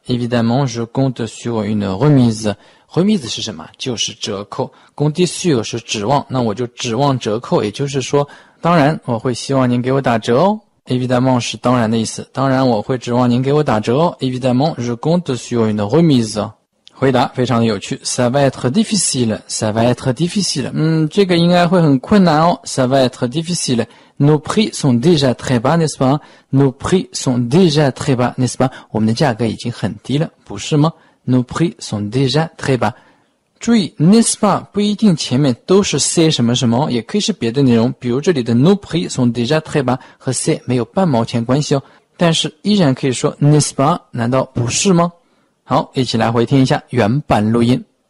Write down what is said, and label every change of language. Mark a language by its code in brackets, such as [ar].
[fr] Évidemment, je compte sur une remise. [zh] Remise 是什么？就是折扣。 Compte sur 是指望，那我就指望折扣，也就是说，当然我会希望您给我打折哦。 Évidemment 是当然的意思。当然我会指望您给我打折哦。 [fr] Évidemment, je compte sur une remise. [zh] 回答非常的有趣。 [fr] Ça va être difficile. Ça va être difficile. [zh] 这个应该会很困难哦。 [fr] Ça va être difficile. Nos prix sont déjà très bas, n'est-ce pas? Nos prix sont déjà très bas, n'est-ce pas? [zh] 我们的价格已经很低了，不是吗？ [fr] Nos prix sont déjà très bas. [zh] 注意 n'est-ce pas 不一定前面都是 c'est 什么什么，也可以是别的内容。比如这里的 [fr] nos prix sont déjà très bas [zh] 和 c'est 没有半毛钱关系哦，但是依然可以说 n'est-ce pas 难道不是吗？好，一起来回听一下原版录音。